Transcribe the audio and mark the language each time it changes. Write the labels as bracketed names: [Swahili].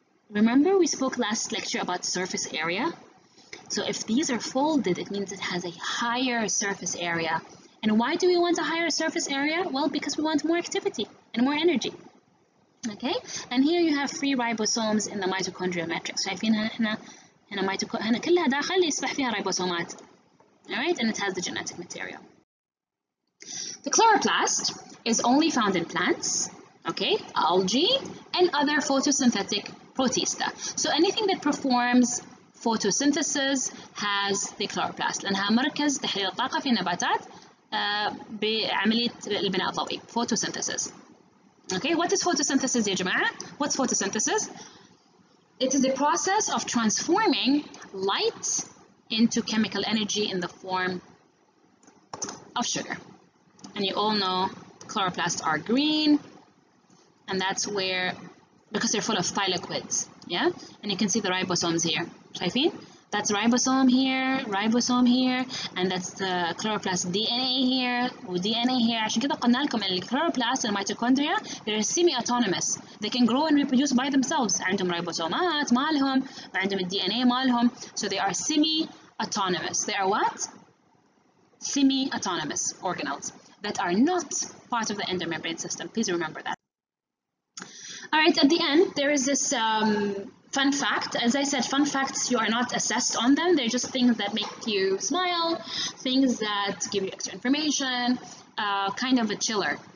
[English] Remember we spoke last lecture about surface area. So if these are folded, it means it has a higher surface area. And why do we want a higher surface area? Well, because we want more activity and more energy. Okay, and here you have free ribosomes in the mitochondrial matrix. [Arabic] شايفين هنا هنا كلها داخل يصبح فيها ribosomes. [English] All right, and it has the genetic material. The chloroplast is only found in plants, okay, algae, and other photosynthetic protista. So anything that performs photosynthesis has the chloroplast. [Arabic] لأنها مركز تحرير الطاقة في النباتات بعملية البناء الضوئي. [English] Photosynthesis. Okay, what is photosynthesis, [Arabic] يا جماعة? [English] What's photosynthesis? It is the process of transforming light into chemical energy in the form of sugar. And you all know chloroplasts are green, and that's where, because they're full of thylakoids, yeah? And you can see the ribosomes here. [Arabic] شايفين? [English] That's ribosome here, and that's the chloroplast DNA here, DNA here. [Arabic] عشان كده قلنا لكم إن الكلوروبلاست والميتوكوندريا [English] they're semi-autonomous. They can grow and reproduce by themselves. [Arabic] عندهم ribosomes مالهم, عندهم DNA مالهم. [English] So they are semi-autonomous. They are what? Semi-autonomous organelles that are not part of the endomembrane system. Please remember that. All right, at the end, there is this fun fact. As I said, fun facts, you are not assessed on them. They're just things that make you smile, things that give you extra information, kind of a chiller.